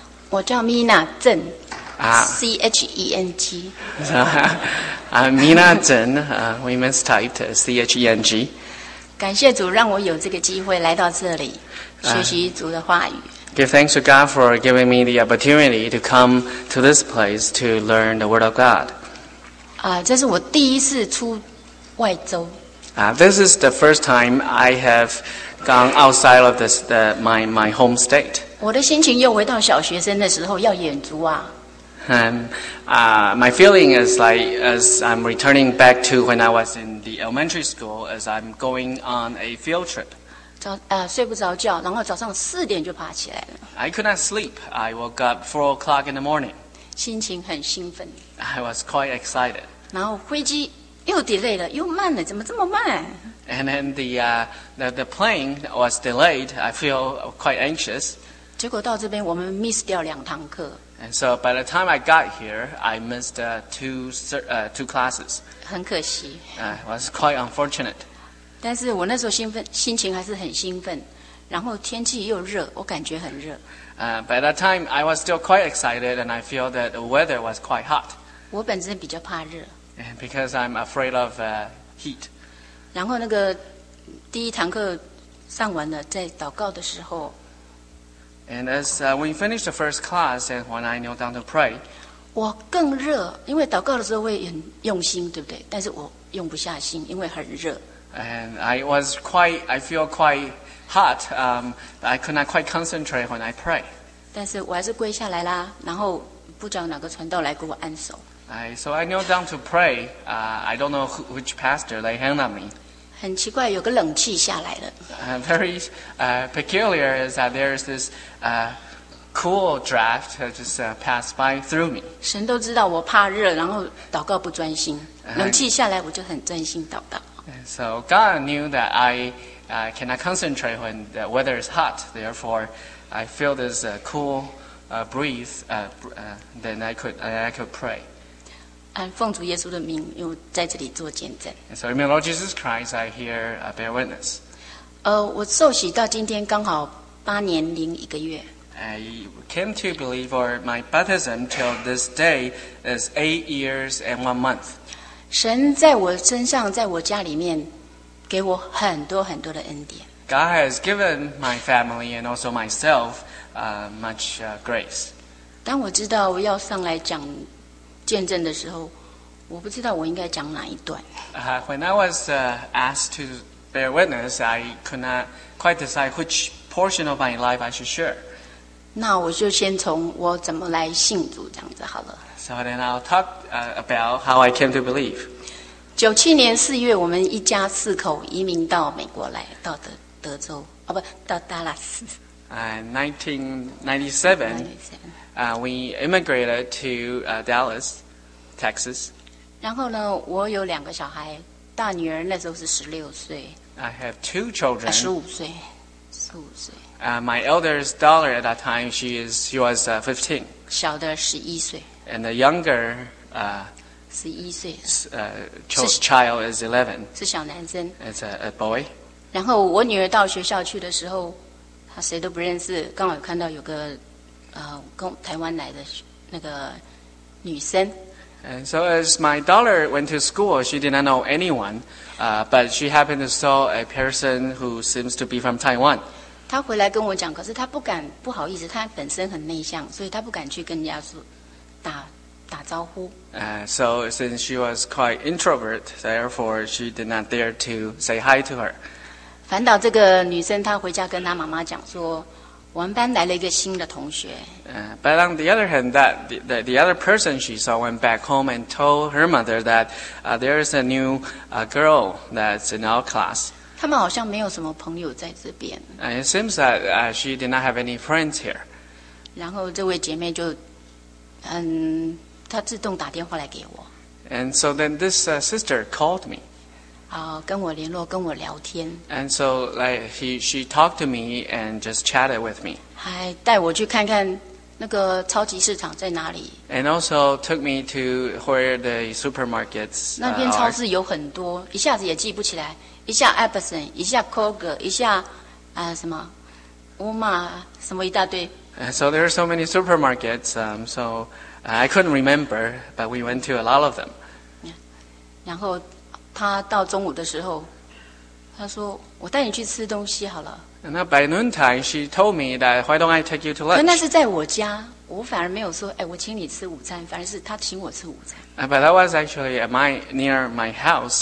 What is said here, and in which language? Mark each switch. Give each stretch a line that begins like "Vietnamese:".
Chinese: 我叫 Mina Zheng, C-H-E-N-G.
English: Mina Zheng, women's type, C-H-E-N-G.
Chinese: 感谢主让我有这个机会来到这里学习主的话语。
English: Give thanks to God for giving me the opportunity to come to this place to learn the Word of God.
Chinese: 这是我第一次出外州。
English: This is the first time I have gone outside of this, my home state.
Chinese: 我的心情又回到小学生的时候要远足啊。
English: My feeling is like as I'm returning back to when I was in the elementary school as I'm going on a field trip.
Chinese: 睡不着觉，然后早上四点就爬起来了。
English: I could not sleep. I woke up 4 o'clock in the morning.
Chinese: 心情很兴奋。
English: I was quite excited.
Chinese: 然后飞机又 delay 了，又慢了，怎么这么慢？
English: And then the plane was delayed. I feel quite anxious.
Chinese: 结果到这边，我们 miss 掉两堂课。
English: And so by the time I got here, I missed two classes.
Chinese: 很可惜。
English: Was quite unfortunate.
Chinese: 但是我那时候心情还是很兴奋，然后天气又热，我感觉很热。
English: By that time, I was still quite excited, and I feel that the weather was quite hot.
Chinese: 我本身比较怕热。
English: And because I'm afraid of heat.
Chinese: 然后那个第一堂课上完了，在祷告的时候。
English: And as we finished the first class, and when I kneel down to pray,
Chinese: 我更热，因为祷告的时候会很用心，对不对？但是我用不下心，因为很热。
English: And I feel quite hot. I could not quite concentrate when I pray.
Chinese: 但是我还是跪下来啦，然后不知道哪个传道来给我按手。
English: So I kneel down to pray. I don't know which pastor lay hand on me.
Chinese: 很奇怪，有个冷气下来了。
English: Very peculiar is that there is this cool draft just passed by through me.
Chinese: 神都知道我怕热，然后祷告不专心。冷气下来，我就很专心祷告。
English: So God knew that I cannot concentrate when the weather is hot. Therefore, I feel this cool breeze. Then I could pray.
Chinese: 奉主耶稣的名，又在这里做见证。
English: So in the Lord Jesus Christ, I here bear witness.
Chinese: 我受洗到今天刚好8年零1个月。
English: I came to believe for my baptism till this day is 8 years and 1 month.
Chinese: 神在我身上，在我家里面，给我很多很多的恩典。
English: God has given my family and also myself much grace.
Chinese: 当我知道我要上来讲见证的时候，我不知道我应该讲哪一段。
English: When I was asked to bear witness, I could not quite decide which portion of my life I should share.
Chinese: 那我就先从我怎么来信主这样子好了。
English: So then I'll talk about how I came to believe.
Chinese: 1997年4月，我们一家四口移民到美国来，到德州，哦不，到达拉斯。
English: 1997, we immigrated to Dallas, Texas.
Chinese: 然后呢，我有两个小孩，大女儿那时候是16岁。
English: I have two children.
Chinese: 15岁，十五岁。
English: My eldest daughter at that time, she was 15.
Chinese: 小的11岁。
English: And the younger,
Chinese: 11岁。
English: Child is 11.
Chinese: 是小男生。
English: It's a boy.
Chinese: 然后我女儿到学校去的时候，她谁都不认识，刚好看到有个跟台湾来的那个女生。
English: And so as my daughter went to school, she did not know anyone, but she happened to saw a person who seems to be from Taiwan.
Chinese: 她回来跟我讲，可是她不敢，不好意思，她本身很内向，所以她不敢去跟人家打招呼。
English: So since she was quite introvert, therefore she did not dare to say hi to her.
Chinese: 反倒这个女生她回家跟她妈妈讲说，我们班来了一个新的同学。
English: But on the other hand, that the other person she saw went back home and told her mother that there is a new girl that's in our class.
Chinese: 他们好像没有什么朋友在这边。
English: It seems that she did not have any friends here.
Chinese: 然后这位姐妹就，她自动打电话来给我。
English: And so then this sister called me.
Chinese: 跟我联络，跟我聊天。
English: And so, like, she talked to me and just chatted with me.
Chinese: 还带我去看看那个超级市场在哪里
English: ？And also took me to where the supermarkets.
Chinese: 那边超市有很多，一下子也记不起来，一下 Albertson， 一下 Kroger， 一下什么 Walmart， 什么一大堆。
English: So there are so many supermarkets. So I couldn't remember, but we went to a lot of them.
Chinese: 然后他到中午的时候，他说：“我带你去吃东西好了。”
English: And by noon time, she told me that why don't I take you to lunch?
Chinese: 那是在我家，我反而没有说，哎，我请你吃午餐，反而是他请我吃午餐。
English: But that was actually at my near my house.